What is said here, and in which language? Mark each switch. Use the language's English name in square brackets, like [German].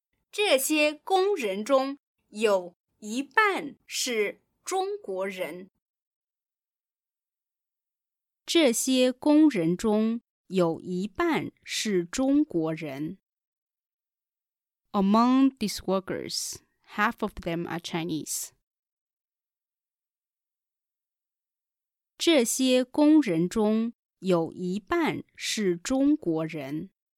[Chinese] 这些工人中有一半是中国人这些工人中有一半是中国人 [English] Among these workers, half of them are Chinese [Chinese] 这些工人中有一半是中国人。